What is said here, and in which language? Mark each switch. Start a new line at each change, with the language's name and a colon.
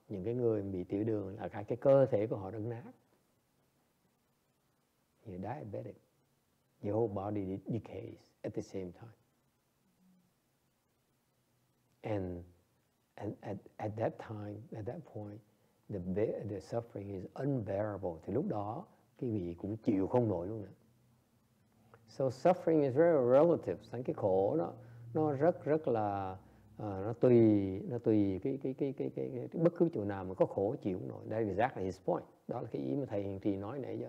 Vietnamese: Những cái người bị tiểu đường là cái cơ thể của họ đang nát.
English: You're diabetic. your whole body decays at the same time. And at that time, at that point, the suffering is unbearable.
Vietnamese: Thì lúc đó, cái vị cũng chịu không nổi luôn nữa.
English: So suffering is very relative.
Vietnamese: Thành cái khổ nó rất rất là nó tùy cái bất cứ chỗ nào mà có khổ chịu không nổi.
English: That's exactly his point.
Vietnamese: Đó là cái ý mà thầy Hiền Trì nói nãy giờ.